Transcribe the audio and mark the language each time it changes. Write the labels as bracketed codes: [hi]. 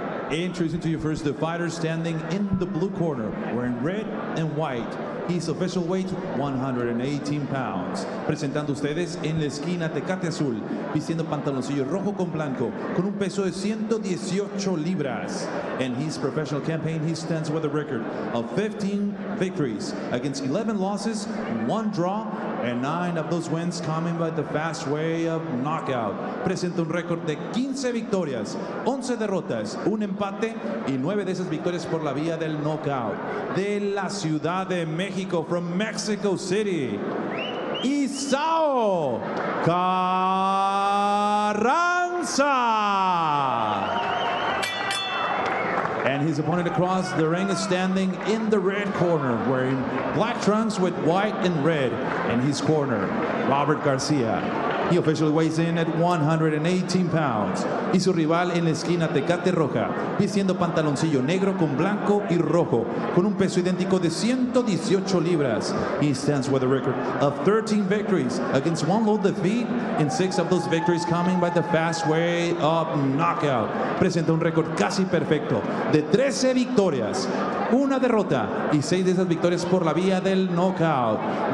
[en] Introducing to you first, the fighter standing in the blue corner, wearing red and white. His official weight, 118 pounds. [es] Presentando ustedes en la esquina, Tecate Azul, vistiendo pantaloncillo rojo con blanco, con un peso de 118 libras. [en] And his professional campaign, he stands with a record of 15 victories against 11 losses, 1 draw, and 9 of those wins coming by the fast way of knockout. [es] Presenta un récord de 15 victorias, 11 derrotas, un empate y 9 de esas victorias por la vía del knockout. De la Ciudad de México, [en] from Mexico City, [es] Isao Carranza. [en] And his opponent across the ring is standing in the red corner, wearing black trunks with white and red in his corner, Robert Garcia. He officially weighs in at 118 pounds. [es] Y su rival en la esquina, Tecate Roja, vistiendo pantaloncillo negro con blanco y rojo, con un peso idéntico de 118 libras. [en] He stands with a record of 13 victories against 1 low defeat, and 6 of those victories coming by the fast way of knockout. [es] Presenta un récord casi perfecto de 13 victorias, 1 derrota y 6 de esas victorias por la vía del knockout.